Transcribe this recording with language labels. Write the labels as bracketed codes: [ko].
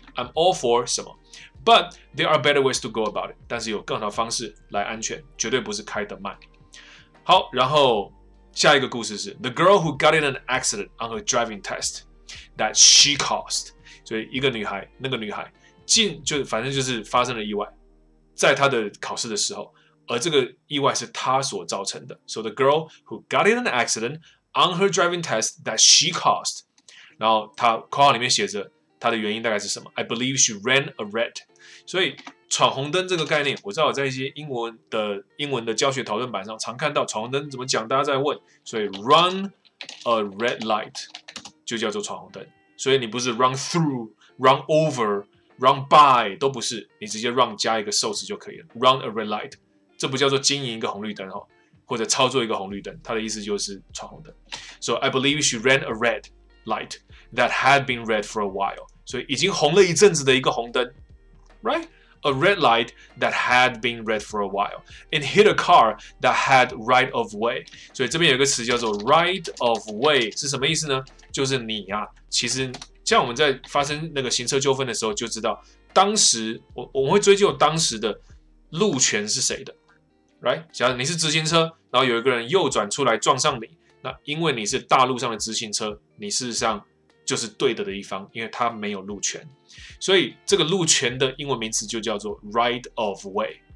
[en] I'm all for [zh] 什么 [en] ？But there are better ways to go about it. [zh] 但是有更好的方式来安全，绝对不是开得慢。好，然后下一个故事是 [en] The girl who got in an accident on her driving test that she caused. [zh] 所以一个女孩，那个女孩进就反正就是发生了意外，在她的考试的时候，而这个意外是她所造成的。 [en] So the girl who got in an accident on her driving test that she caused. [zh] 然后她括号里面写着她的原因大概是什么 ？ [en] I believe she ran a red. [zh] 所以闯红灯这个概念，我知道我在一些英文的教学讨论板上常看到闯红灯怎么讲，大家在问，所以 [en] run a red light [zh] 就叫做闯红灯。所以你不是 [en] run through、run over、run by [zh] 都不是，你直接 run 加一个受词就可以了。 [en] run a red light [zh] 这不叫做经营一个红绿灯哦，或者操作一个红绿灯，它的意思就是闯红灯。 [en] So I believe she ran a red light that had been red for a while， [zh] 所以已经红了一阵子的一个红灯 [en] ，right？ A red light that had been red for a while, and hit a car that had right of way. [zh] 所以这边有一个词叫做 right of way 是什么意思呢？就是你啊，其实像我们在发生那个行车纠纷的时候就知道，当时我们会追究当时的路权是谁的 ， [en] right？ [zh] 假如你是直行车，然后有一个人右转出来撞上你，那因为你是大路上的直行车，你事实上就是对的一方，因为他没有路权，所以这个路权的英文名词就叫做 right of way。